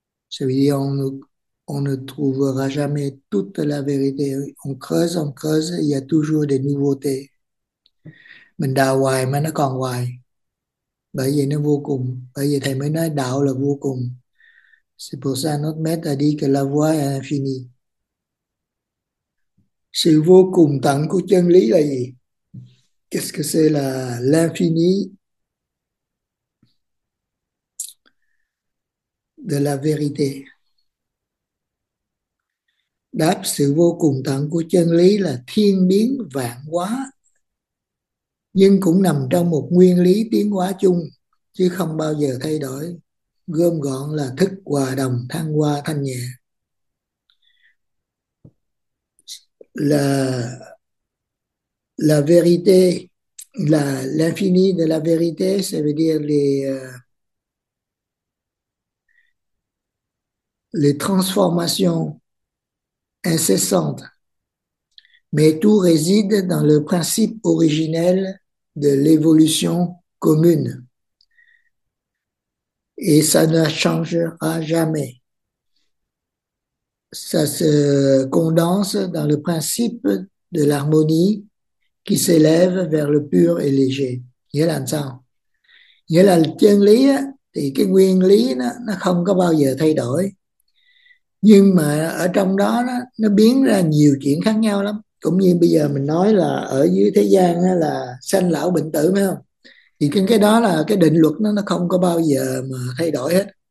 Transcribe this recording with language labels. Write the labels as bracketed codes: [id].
[fr] Ça veut dire on ne trouvera jamais toute la vérité. On creuse, il y a toujours des nouveautés. [vi] Mình đào hoài mà nó còn hoài, bởi vì nó vô cùng, bởi vì thầy mới nói đạo là vô cùng. [fr] C'est pour ça notre maître a dit que la voie est infinie. [vi] Sự vô cùng tận của chân lý là gì? [fr] Qu'est-ce que c'est l'infini de la vérité? [vi] Đáp, sự vô cùng tận của chân lý là thiên biến vạn hóa, nhưng cũng nằm trong một nguyên lý tiến hóa chung chứ không bao giờ thay đổi, gom gọn là thức hòa đồng thăng hoa thanh nhẹ. [fr] La vérité, l'infini de la vérité, ça veut dire les transformations incessantes. Mais tout réside dans le principe originel de l'évolution commune. Et ça ne changera jamais. Ça se condense dans le principe de l'harmonie qui s'élève vers le pur et léger. [vi] Nghĩa là sao? Nghĩa là chân lý á, thì cái nguyên lý nó không có bao giờ thay đổi. Nhưng mà ở trong đó nó biến ra nhiều chuyện khác nhau lắm. Cũng như bây giờ mình nói là ở dưới thế gian á, là sanh lão bệnh tử, phải không? Thì cái đó là cái định luật nó không có bao giờ mà thay đổi hết.